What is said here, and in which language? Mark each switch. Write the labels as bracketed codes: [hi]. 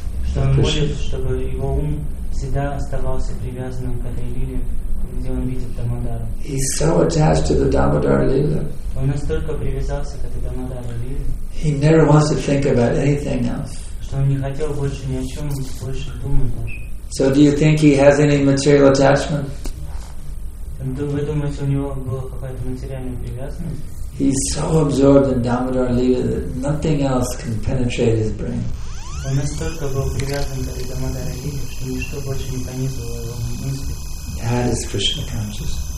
[ru] Что он молит, чтобы его ум всегда оставался привязанным к этой лиле, где он видит Дамодара. [en] He's so attached to the Damodar Lila. [ru] Он настолько привязался к этой Дамодар Лиле. [en] He never wants to think about anything else. [ru] Что он не хотел больше ни о чем больше думать даже. [en] So do you think he has any material attachment? [ru] Вы думаете, у него была какая-то материальная привязанность? [en] He's so absorbed in Damodar Lila that nothing else can penetrate his brain. [ru] Он настолько был привязан к Дамодар Лиле, что ничто больше не пронизывало его мысли. [en] That is Krishna consciousness.